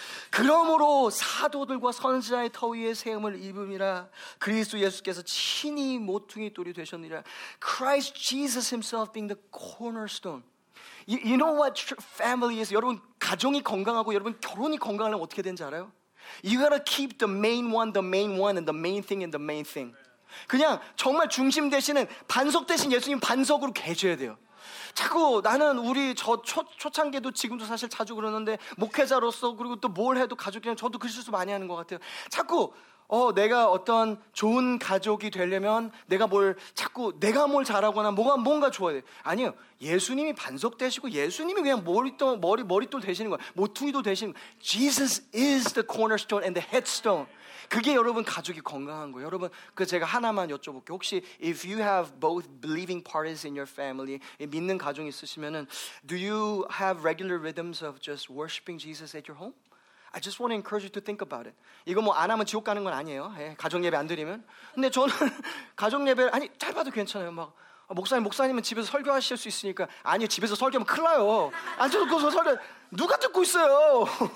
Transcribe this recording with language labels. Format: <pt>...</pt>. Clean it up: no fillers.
<ko>그러므로 사도들과 선지자의 터위에 세움을 입음이라 그리스도 예수께서 친히 모퉁잇돌이 되셨느니라</ko> <en>Christ Jesus himself being the cornerstone. You know what family is?</en> <ko>여러분 가정이 건강하고 여러분 결혼이 건강하면 어떻게 되는지 알아요?</ko> <en>You gotta keep the main one and the main thing and the main thing.</en> <ko>그냥 정말 중심 대신은 반석 대신 예수님 반석으로 계셔야 돼요 자꾸 나는 우리 저 초창기에도 지금도 사실 자주 그러는데 목회자로서 그리고 또 뭘 해도 가족이랑 저도 그 실수 많이 하는 것 같아요 자꾸 내가 어떤 좋은 가족이 되려면 내가 뭘 자꾸 내가 뭘 잘하거나 뭔가 좋아야 돼 아니요 예수님이 반석 되시고 예수님이 그냥 머리돌 되시는 거야 모퉁이도 되시는 거야</ko> <en>Jesus is the cornerstone and the headstone</en> <ko>그게 여러분 가족이 건강한 거예요. 여러분, 그 제가 하나만 여쭤볼게요.</ko> <en>혹시 if you have both believing parties in your family,</en> <ko>믿는 가족 있으시면은</ko> <en>do you have regular rhythms of just worshiping Jesus at your home? I just want to encourage you to think about it.</en> <ko>이거 뭐 안 하면 지옥 가는 건 아니에요. 예, 가족 예배 안 드리면. 근데 저는 가족 예배 아니 잘 봐도 괜찮아요. 막 목사님은 집에서 설교하실 수 있으니까 아니요 집에서 설교하면 큰일 나요. 안 저도 그 설교 누가 듣고 있어요?</ko>